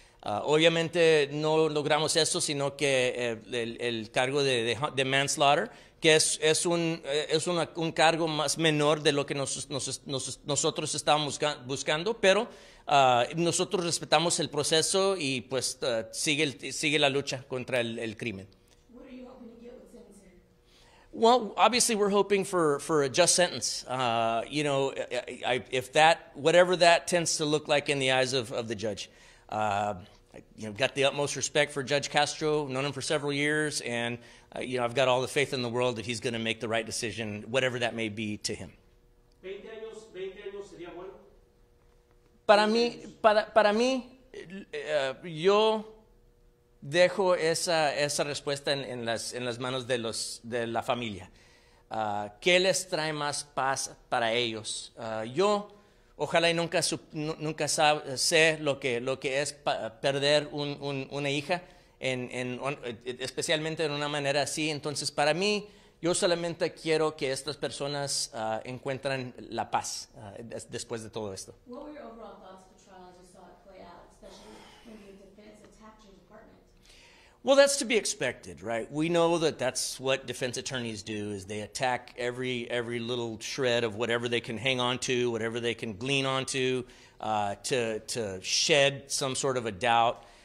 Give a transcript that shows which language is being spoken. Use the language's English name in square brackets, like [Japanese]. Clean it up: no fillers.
[Spanish] Obviamente no logramos eso, sino que el cargo de manslaughter, que es un cargo más menor de lo que nosotros estábamos buscando, pero nosotros respetamos el proceso, y pues sigue la lucha contra el crimen. [English] Well, obviously, we're hoping for a just sentence. You know, whatever that tends to look like in the eyes of the judge. You know, got the utmost respect for Judge Castro, known him for several years, and you know, I've got all the faith in the world that he's going to make the right decision, whatever that may be to him. [Spanish] 20 años, 20 años sería bueno. Para mí, yo dejo esa respuesta en las manos de la familia. ¿Qué les trae más paz para ellos? Yo ojalá y nunca sé lo que es perder una hija, especialmente en una manera así. Entonces, para mí, yo solamente quiero que estas personas encuentren la paz después de todo esto. [English] What were your overall thoughts of the trial as you saw it play out, especially when the defense attacked your department? Well, that's to be expected, right? We know that's what defense attorneys do, is they attack every little shred of whatever they can hang on to, whatever they can glean onto, to shed some sort of a doubt.